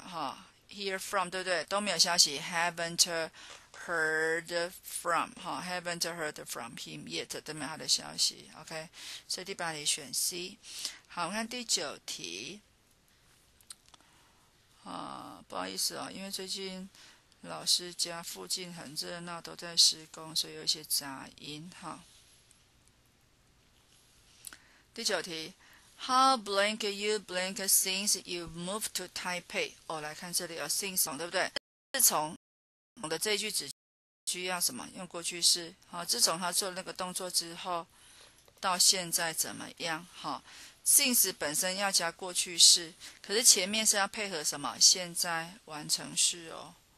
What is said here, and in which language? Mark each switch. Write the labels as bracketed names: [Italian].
[Chinese] 哈、哦、， [English] hear from， [Chinese] 对不对？都没有消息， [English] haven't heard from， [Chinese] 哈、哦、， [English] haven't heard from him yet， [Chinese] 都没有他的消息。 OK，所以第八题选 C。好，我们看第九题。啊、哦，不好意思啊、哦，因为最近。老师家附近很热闹，都在施工，所以有一些杂音哈。 [English] 第九题，How blank you blank since you moved to Taipei？ [Chinese] 哦，来看这里有 since 对不对？自从我的这一句子需要什么？用过去式。好、哦，自从他做那个动作之后，到现在怎么样？哈、哦、，since 本身要加过去式，可是前面是要配合什么？现在完成式哦。